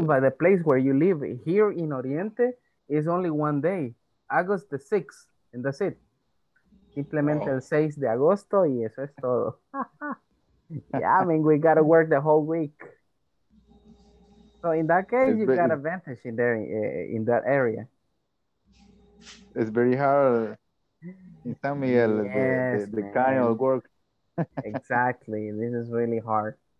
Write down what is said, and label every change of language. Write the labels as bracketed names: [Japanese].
[English] By the place where you live here in Oriente is only 1 day, August the 6th, and that's it. [Spanish] Implemente el 6 de agosto y eso es todo. [English] Yeah, I mean, we gotta work the whole week. So in that case, it's you got advantage in there, in that area. It's very hard in San Miguel, yes, the kind of work. Exactly. This is really hard.